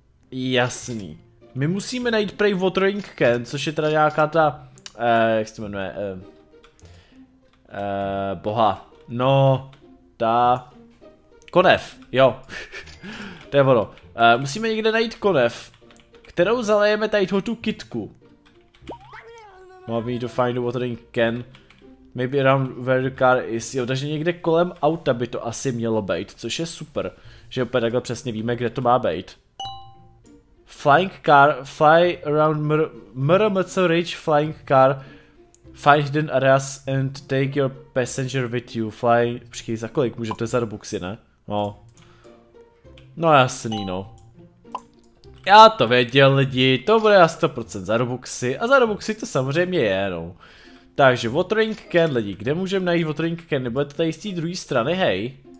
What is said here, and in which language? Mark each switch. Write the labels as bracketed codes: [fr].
[cs] Jasný. My musíme najít prej watering can, což je teda nějaká ta... jak se to jmenuje? Boha. No, ta... Konev, jo. To je ono. Musíme někde najít konev, kterou zalejeme tady tu kitku. [en] Mohli to find the watering can. Maybe around where the car is. [cs] Jo, takže někde kolem auta by to asi mělo být, což je super. Že opět takhle přesně víme, kde to má být. [en] Flying car, fly around Muramatsu Ridge, flying car. Find hidden areas and take your passenger with you. [cs] Fly, počkej, za kolik můžete za Robuxy, ne? No. No jasný, no. Já to věděl, lidi, to bude na 100% za Robuxy. A za Robuxy to samozřejmě je, no. Takže watering can, lidi, kde můžeme najít watering can? Nebudete tady z té druhé strany, hej?